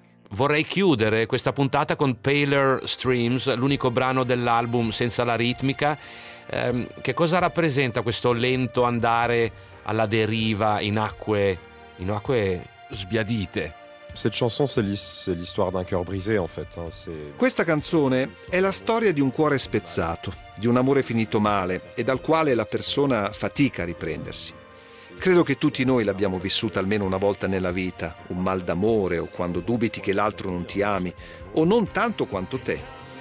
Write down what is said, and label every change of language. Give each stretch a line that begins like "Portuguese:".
Italian: Vorrei chiudere questa puntata con Paler Streams, l'unico brano dell'album senza la ritmica. Che cosa rappresenta questo lento andare alla deriva in acque sbiadite?
French: Cette chanson c'est l'histoire d'un cœur brisé en fait.
Italian: Questa canzone è la storia di un cuore spezzato, di un amore finito male e dal quale la persona fatica a riprendersi. Credo che tutti noi l'abbiamo vissuta almeno una volta nella vita, un mal d'amore o quando dubiti che l'altro non ti ami o non tanto quanto te.